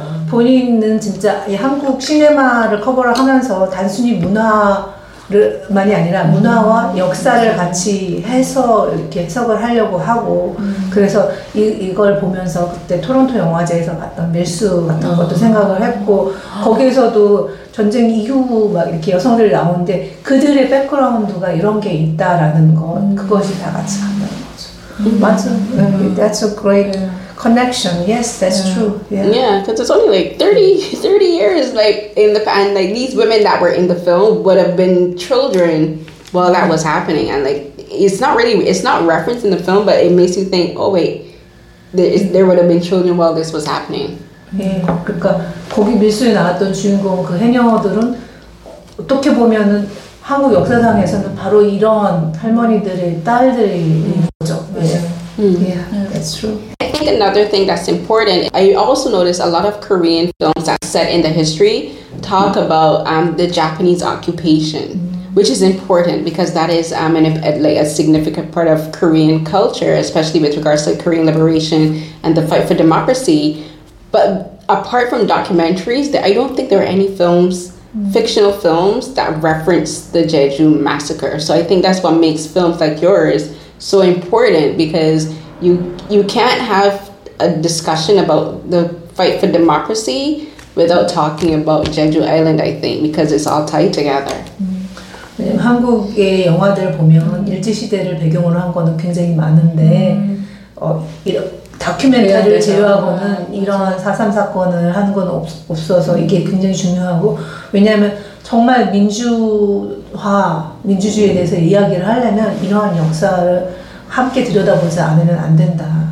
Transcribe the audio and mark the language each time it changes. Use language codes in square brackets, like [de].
[ko] 본인은 진짜 이 한국 시네마를 커버를 하면서 단순히 문화 만이 아니라 문화와 역사를 같이 해서 이렇게 해석을 하려고 하고 그래서 이걸 보면서 그때 토론토 영화제에서 봤던 밀수 같은 것도 생각을 했고 거기에서도 전쟁 이후 막 이렇게 여성들이 나오는데 그들의 백그라운드가 이런 게 있다라는 것 그것이 다 같이 간다는 거죠. 맞아. [en] That's a great connection. Yes, that's true. Yeah, because it's only like 30 years, like in the past, and like these women that were in the film would have been children while that was happening, and like it's not really referenced in the film, but it makes you think, oh wait, there would have been children while this was happening. [ko] 예, 그러니까 거기 밀수에 나왔던 주인공 그 해녀들은 어떻게 보면은 한국 역사상에서는 바로 이런 할머니들의 딸들이 거죠. 예. [en] That's true. I think another thing that's important, I also noticed a lot of Korean films that set in the history talk about the Japanese occupation. Which is important because that is a significant part of Korean culture, especially with regards to Korean liberation and the fight for democracy. But apart from documentaries, I don't think there are any films, fictional films, that reference the Jeju massacre. So I think that's what makes films like yours so important, because you can't have a discussion about the fight for democracy without talking about Jeju Island, I think, because it's all tied together. [ko] 한국의 영화들을 보면 일제시대를 배경으로 한 거는 굉장히 많은데 다큐멘터리를 제외하고는 이러한 4.3 사건을 하는 건 없어서 이게 굉장히 중요하고 왜냐하면 정말 민주화, 민주주의에 대해서 이야기를 하려면 이러한 역사를 함께 들여다보지 않으면 안 된다.